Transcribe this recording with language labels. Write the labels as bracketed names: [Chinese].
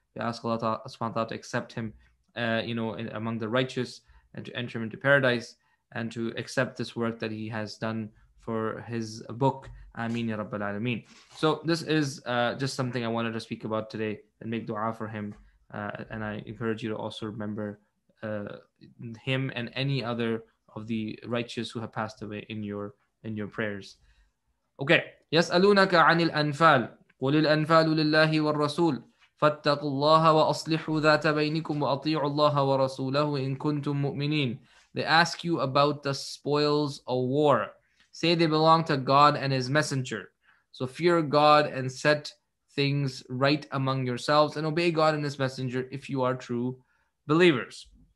[English] We ask Allah subhanahu wa ta'ala to accept him, among the righteous, and to enter him into paradise, and to accept this work that he has done for his book. Ameen ya Rabbal Alameen. So this is just something I wanted to speak about today and make dua for him. And I encourage you to also remember him and any other of the righteous who have passed away in your prayers. Okay. [Arabic] يسألونك عن الأنفال قل الأنفال لله والرسول فاتقوا الله وأصلحوا ذات بينكم وأطيعوا الله ورسوله إن كنتم مؤمنين. [English] They ask you about the spoils of war. Say they belong to God and His Messenger. So fear God and set things right among yourselves and obey God and His Messenger if you are true believers.